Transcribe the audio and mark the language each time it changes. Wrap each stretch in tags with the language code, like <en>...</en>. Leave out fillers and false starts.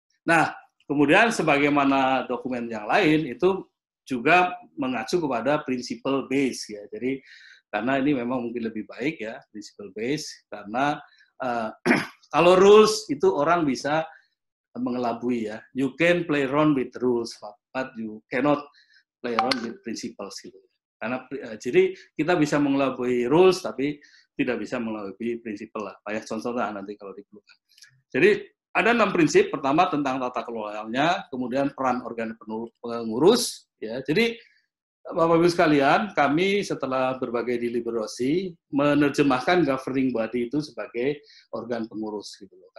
<id>Nah, kemudian sebagaimana dokumen yang lain itu juga mengacu kepada principle base ya. Jadi karena ini memang mungkin lebih baik ya principle base, karena kalau rules itu orang bisa mengelabui ya.</id> <en>You can play around with rules but you cannot play around with principles gitu.</en> <id>Karena jadi kita bisa mengelabui rules tapi tidak bisa mengelabui principle lah. Banyak contohnya nanti kalau diperlukan. Jadi ada 6 prinsip. Pertama tentang tata kelolanya, kemudian peran organ pengurus. Ya. Jadi Bapak-Ibu sekalian, kami setelah berbagai deliberasi menerjemahkan governing body itu sebagai organ pengurus gitu loh.</id>